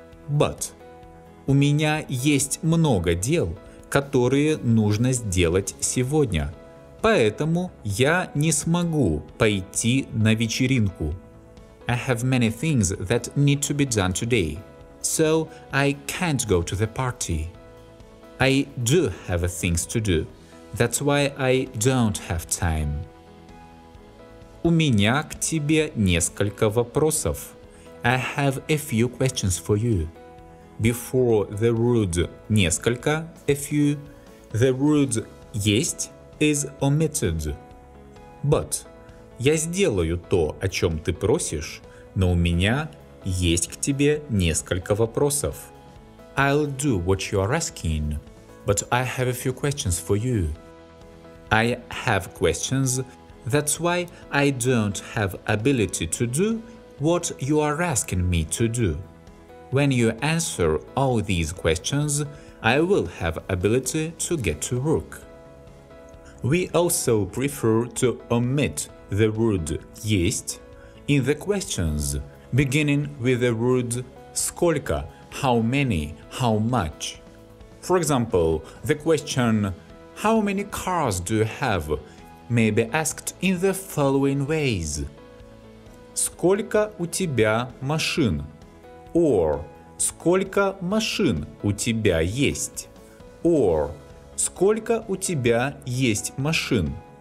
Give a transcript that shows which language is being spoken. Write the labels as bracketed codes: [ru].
[en] But [ru] у меня есть много дел, которые нужно сделать сегодня. Поэтому я не смогу пойти на вечеринку. [en] I have many things that need to be done today, so I can't go to the party. I do have things to do, that's why I don't have time. [ru] У меня к тебе несколько вопросов. [en] I have a few questions for you. Before the word несколько, a few, the word есть is omitted. But [ru] я сделаю то, о чем ты просишь, но у меня есть к тебе несколько вопросов. [en] I'll do what you are asking, but I have a few questions for you. I have questions, that's why I don't have ability to do what you are asking me to do. When you answer all these questions, I will have ability to get to work. We also prefer to omit the word есть in the questions, beginning with the word сколько, how many, how much. For example, the question how many cars do you have may be asked in the following ways. [ru] Сколько у тебя машин? [en] Or [ru] сколько машин у тебя есть? Or сколько у тебя есть машин?